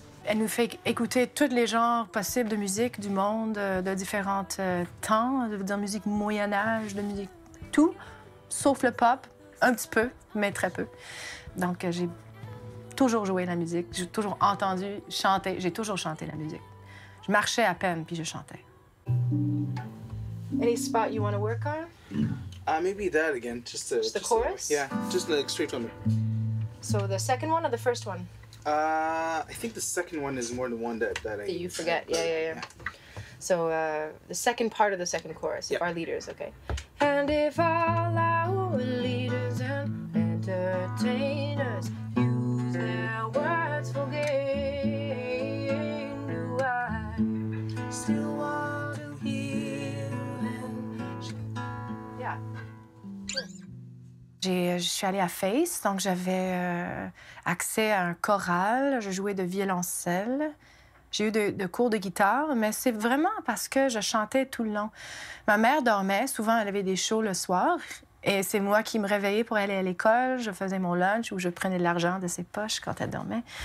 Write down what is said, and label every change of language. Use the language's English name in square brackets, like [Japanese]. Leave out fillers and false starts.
[French] Elle nous fait écouter tous les genres possibles de musique du monde, de différents temps, de musique Moyen-Âge, de musique tout, sauf le pop, un petit peu, mais très peu. Donc, j'ai toujours joué la musique, j'ai toujours entendu chanter, j'ai toujours chanté la musique. Je marchais à peine, puis je chantais. [English] Any spot you want to work on? Maybe that again, just the... Just the chorus? Just the straight one. So the second one or the first one? I think the second one is more the one that you forget. Said, yeah. So the second part of the second chorus, if our leaders, okay. And if all our leaders and entertainers use their words for gain, do I still want to hear? Yeah. Cool. [French] Je suis allée à FACE, donc j'avais accès à un choral, je jouais de violoncelle, j'ai eu de cours de guitare, mais c'est vraiment parce que je chantais tout le long. Ma mère dormait, souvent elle avait des shows le soir, et c'est moi qui me réveillais pour aller à l'école, je faisais mon lunch ou je prenais de l'argent de ses poches quand elle dormait.